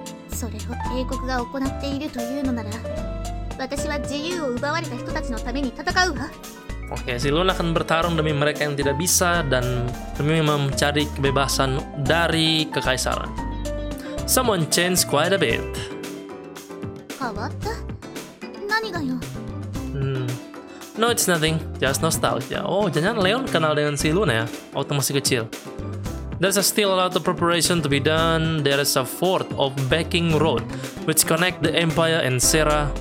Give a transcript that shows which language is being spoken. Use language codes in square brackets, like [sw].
[ja] それを帝国が行っているというのなら、私は自由を奪われた人たちのために戦うわ。 [id] Oke, Zilun akan bertarung demi mereka yang tidak bisa dan demi mencari kebebasan dari kekaisaran. [en] Someone changed quite a bit. [ja] Kawatta? Nani ga yo? [en] No, it's nothing. Just nostalgia. [id] Oh, jangan-jangan Leon kenal dengan Zilun ya, waktu masih kecil. [en] There's still a lot of preparation to be done. There is a fort of Backing Road, which connect the Empire and Sera.